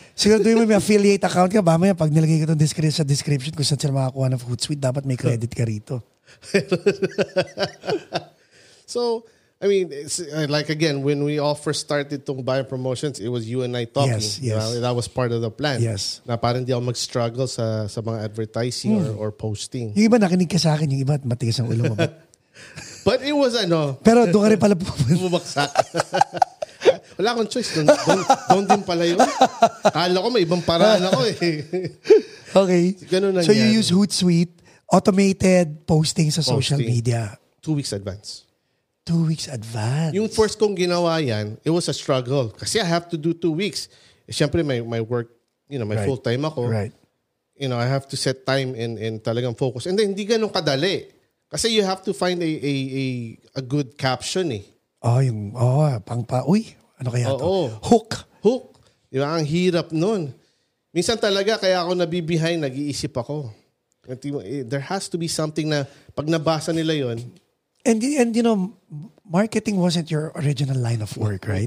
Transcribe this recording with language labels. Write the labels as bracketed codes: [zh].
[tl] Siguraduhin mo may affiliate account ka. Mamaya, pag nilagay ko itong description sa description kung saan sila makakuha ng Hootsuite, dapat may credit ka rito. [en] So, I mean, it's, like again, when we all first started [tl] itong buying promotions, [en] it was you and I talking. Yes, yes. You know, that was part of the plan. Yes. [tl] Na parang di ako mag-struggle sa mga [en] advertising or posting. [tl] Yung iba, nakinig ka sa akin. Yung iba, matigas ang ulo mo. [en] But it was, ano. [tl] Pero doon ka rin pala bumaksak. Wala akong choice. Don't din pala yun. Kala ko may ibang paraan ako eh. [en] Okay. [tl] Ganun [en] so you use Hootsuite, automated posting sa social media. 2 weeks advance. 2 weeks advance. [tl] Yung first kong ginawa yan, [en] it was a struggle. Kasi I have to do 2 weeks. [tl] Eh, siyempre [en] my work, you know, my right. [tl] full-time ako. [en] Right. You know, I have to set time [tl] and talagang focus. [en] And then [tl] hindi ganun kadali. [en] Kasi you have to find a good caption eh. [tl] Oh, yung, oh, pang pa, uy, ano kaya ito? Hook. Hook. Di ba, ang hirap nun. Minsan talaga, kaya ako nabibihay, nag-iisip ako. [en] There has to be something [tl] na, pag nabasa nila yon. [en] And you know, marketing wasn't your original line of work, right?